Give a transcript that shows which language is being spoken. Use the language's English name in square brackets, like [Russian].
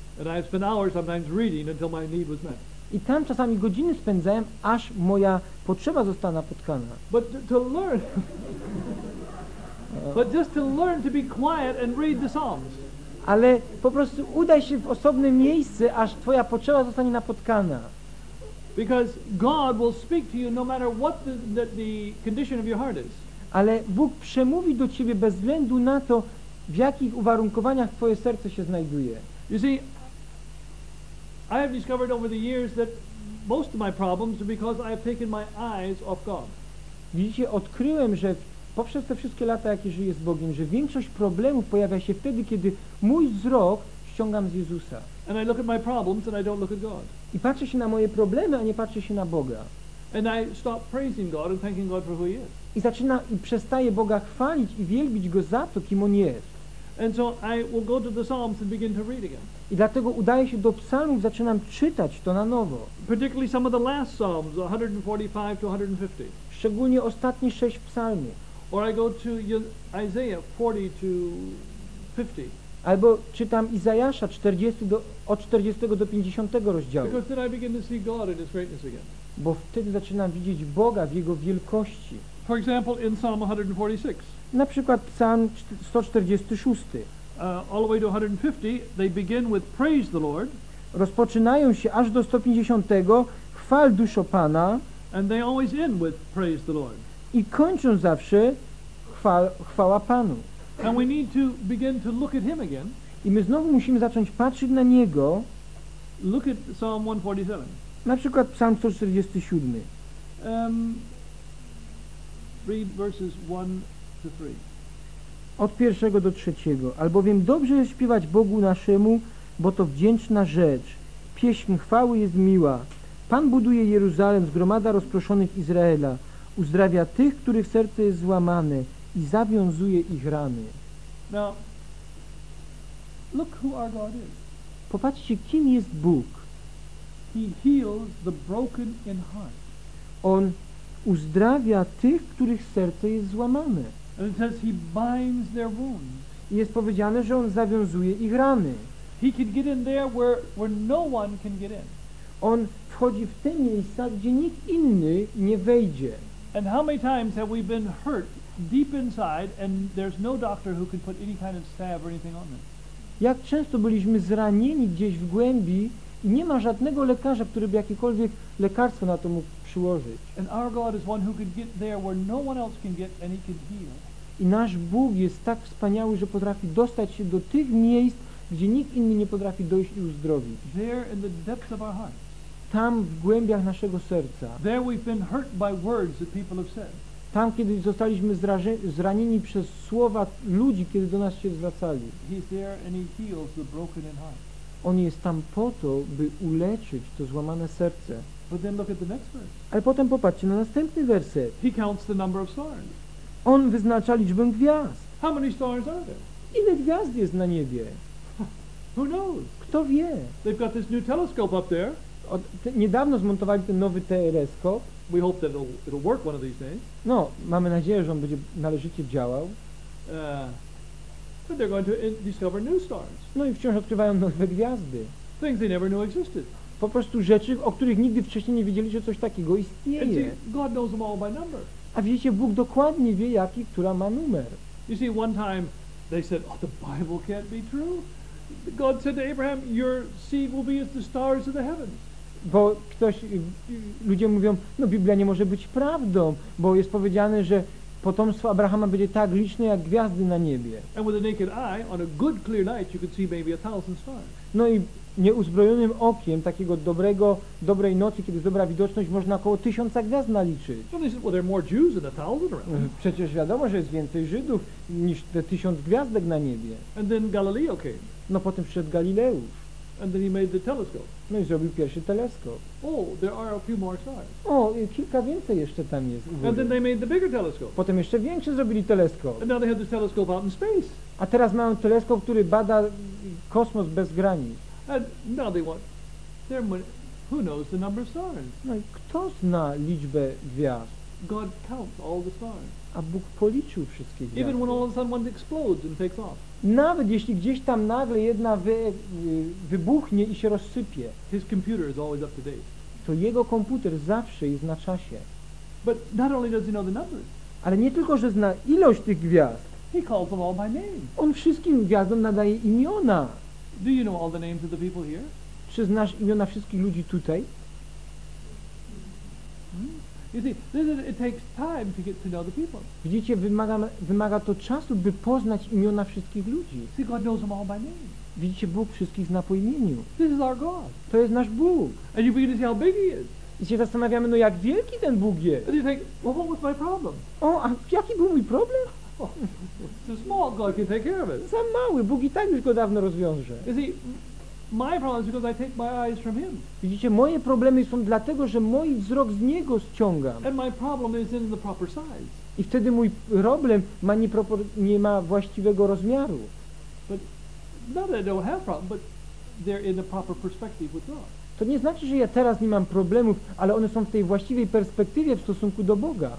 [English] And I have spent hours sometimes reading until my need was met. [Polish] I tam czasami godziny spędzałem, aż moja potrzeba została napotkana. But to learn. [English] But just to learn to be quiet and read the Psalms. [Polish] Ale po prostu udaj się w osobne miejsce, aż twoja potrzeba zostanie napotkana. [English] Because God will speak to you no matter what the condition of your heart is. [Polish] Ale Bóg przemówi do ciebie bez względu na to, w jakich uwarunkowaniach twoje serce się znajduje. [English] You see, I have discovered over the years that most of my problems are because I have taken my eyes off God. [Polish] Widzicie, odkryłem, że poprzez te wszystkie lata, jakie żyję z Bogiem, że większość problemów pojawia się wtedy, kiedy mój wzrok ściągam z Jezusa. [English] And I look at my problems and I don't look at God. [Polish] I patrzę się na moje problemy, a nie patrzę się na Boga. [English] And I stop praising God and thanking God for who He is. [Polish] I przestaję Boga chwalić i wielbić Go za to, kim On jest. [English] And so I will go to the Psalms and begin to read again. [Polish] I dlatego udaję się do psalmów, zaczynam czytać to na nowo. [English] Particularly some of the last Psalms, 145 to 150. [Polish] Szczególnie ostatnie 6 psalmów. [English] Or I go to Isaiah 40 to 50. [Polish] Albo czytam Izajasza od 40 do 50 rozdziału. [English] Because then I begin to see God in His greatness again. [Polish] Bo wtedy zaczynam widzieć Boga w Jego wielkości. [English] For example, in Psalm 146. [Polish] Na przykład Psalm 146. [English] All the way to 150, they begin with praise the Lord. [Polish] Rozpoczynają się aż do 150, chwal duszo Pana. [English] And they always end with praise the Lord. [Polish] I kończą zawsze chwała Panu. [English] And we need to begin to look at Him again. [Polish] I my znowu musimy zacząć patrzeć na Niego. [English] Look at Psalm 147. [Polish] Na przykład Psalm 147. [English] Read verses 1-3. [Polish] Od 1 do 3. Albowiem dobrze jest śpiewać Bogu naszemu, bo to wdzięczna rzecz. Pieśń chwały jest miła. Pan buduje Jeruzalem, zgromadza rozproszonych Izraela. Uzdrawia tych, których serce jest złamane i zawiązuje ich rany. [English] Now, look who our God is. [Polish] Popatrzcie, kim jest Bóg. [English] He heals the broken in heart. [Polish] On uzdrawia tych, których serce jest złamane. [English] And it says he binds their wounds. [Polish] I jest powiedziane, że on zawiązuje ich rany. [English] He can get in there where no one can get in. [Polish] On wchodzi w te miejsca, gdzie nikt inny nie wejdzie. [English] And how many times have we been hurt deep inside and there's no doctor who can put any kind of salve or anything on them? [Polish] Jak często byliśmy zranieni gdzieś w głębi i nie ma żadnego lekarza, który by jakiekolwiek lekarstwo na to mógł przyłożyć. [English] And our God is one who can get there where no one else can get and He can heal. [Polish] I nasz Bóg jest tak wspaniały, że potrafi dostać się do tych miejsc, gdzie nikt inny nie potrafi dojść i uzdrowić. [English] There in the depths of our hearts. [Polish] Tam w głębiach naszego serca. [English] There we've been hurt by words that people have said. [Polish] Tam, kiedy zostaliśmy zranieni przez słowa ludzi, kiedy do nas się zwracali. [English] He's there and He heals the broken in heart. [Polish] On jest tam po to, by uleczyć to złamane serce. [English] But then look at the next verse. [Polish] Ale potem popatrzcie na następny werset. [English] He counts the number of stars. [Polish] On wyznacza liczbę gwiazd. [English] How many stars are there? [Polish] Ile gwiazd jest na niebie? [English] Who knows? [Polish] Kto wie? [English] They've got this new telescope up there. [Polish] Niedawno zmontowali ten nowy teleskop. [English] We hope that it'll work one of these days. [Polish] No, mamy nadzieję, że on będzie należycie działał. [English] But they're going to discover new stars. [Polish] No i wciąż odkrywają nowe gwiazdy. [English] Things they never knew existed. [Polish] Po prostu rzeczy, o których nigdy wcześniej nie wiedzieli, że coś takiego istnieje. [English] See, God knows them all by number. [Polish] A wiecie, Bóg dokładnie wie, jaki, która ma numer. [English] You see, one time they said, oh, the Bible can't be true. God said to Abraham, your seed will be as the stars of the heavens. [Polish] Bo ktoś, ludzie mówią, no Biblia nie może być prawdą, bo jest powiedziane, że potomstwo Abrahama będzie tak liczne jak gwiazdy na niebie. [English] And with a naked eye, on a good clear night, you could see maybe 1,000 stars. [Polish] No i nieuzbrojonym okiem takiego dobrej nocy, kiedy jest dobra widoczność, można około 1,000 gwiazd naliczyć. [English] Well, they said, well, there are more Jews than 1,000 around. [Polish] Przecież wiadomo, że jest więcej Żydów niż te 1,000 gwiazdek na niebie. [English] And then Galileo came. [Polish] No potem przyszedł Galileusz. [English] And then he made the telescope. [Polish] No i zrobił pierwszy teleskop. [English] Oh, there are a few more stars. [Polish] O, kilka więcej jeszcze tam jest. [English] And then they made the bigger telescope. [Polish] Potem jeszcze większy zrobili teleskop. [English] And now they have this telescope out in space. [Polish] A teraz mają teleskop, który bada kosmos bez granic. [English] And now they want, there, who knows the number of stars? [Polish] No i kto zna liczbę gwiazd? [English] God counts all the stars. [Polish] A Bóg policzył wszystkie gwiazdy. [English] Even when all of a sudden one explodes and takes off. [Polish] Nawet jeśli gdzieś tam nagle jedna wybuchnie i się rozsypie, [English] his computer is always up to date. [Polish] To jego komputer zawsze jest na czasie. [English] But not only does he know the numbers. [Polish] Ale nie tylko, że zna ilość tych gwiazd. [English] He calls them all by name. [Polish] On wszystkim gwiazdom nadaje imiona. [English] Do you know all the names of the people here? [Polish] Czy znasz imiona wszystkich ludzi tutaj? [English] You see, this is, it takes time to get to know the people. [Polish] Widzicie, wymaga to czasu, by poznać imiona wszystkich ludzi. [English] See, God knows them all by name. [Polish] Widzicie, Bóg wszystkich zna po imieniu. [English] This is our God. [Polish] To jest nasz Bóg. [English] And you begin to see how big he is. [Polish] I się zastanawiamy, no jak wielki ten Bóg jest. [English] And you think, well, what was my problem? [Polish] O, a jaki był mój problem? [English] It's a small God can take care of it. [Polish] Za mały, Bóg i tak już go dawno rozwiąże. [English] You see, my problem is because I take my eyes from him. [Polish] Widzicie, moje problemy są dlatego, że mój wzrok z niego ściągam. [English] And my problem is in the proper size. [Polish] I wtedy mój problem ma nie ma właściwego rozmiaru. [English] But not that I don't have problems, but they're in the proper perspective with God. [Polish] To nie znaczy, że ja teraz nie mam problemów, ale one są w tej właściwej perspektywie w stosunku do Boga.